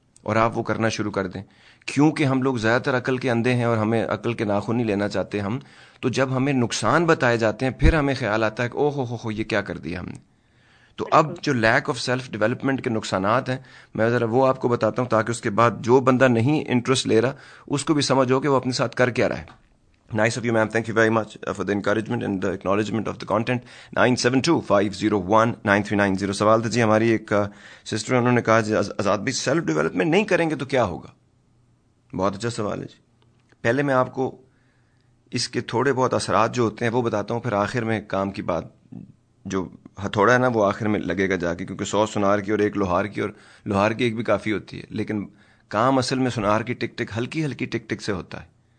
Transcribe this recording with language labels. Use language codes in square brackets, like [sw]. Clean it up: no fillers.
[ur] اور آپ وہ کرنا شروع کر دیں. کیونکہ ہم لوگ زیادہ تر عقل کے اندھے ہیں اور ہمیں عقل کے ناخن ہی لینا چاہتے ہم, تو جب ہمیں نقصان بتائے جاتے ہیں پھر ہمیں خیال آتا ہے کہ اوہ ہو ہو یہ کیا کر دیا ہم نے. تو اب جو لیک آف سیلف ڈیولپمنٹ کے نقصانات ہیں میں ذرا وہ آپ کو بتاتا ہوں تاکہ اس کے بعد جو بندہ نہیں انٹرسٹ لے رہا اس کو بھی سمجھ ہو کہ وہ اپنے ساتھ کر کیا رہا ہے. [en] Nice of you ma'am, thank you very much for the encouragement and the acknowledgement of the content. [ur] 9725019390 سوال تھا جی ہماری ایک سسٹر, انہوں نے کہا جی آزاد بھی سیلف ڈیولپمنٹ نہیں کریں گے تو کیا ہوگا. بہت اچھا سوال ہے جی. پہلے میں آپ کو اس کے تھوڑے بہت اثرات جو ہوتے ہیں وہ بتاتا ہوں, پھر آخر میں کام کی بات جو ہتھوڑا ہے نا وہ آخر میں لگے گا جا کے, کیونکہ 100 سنار کی اور ایک لوہار کی, اور لوہار کی ایک بھی کافی ہوتی ہے, لیکن کام اصل میں سنار کی ٹک ٹک ہلکی ہلکی ٹک ٹک سے ہوتا ہے.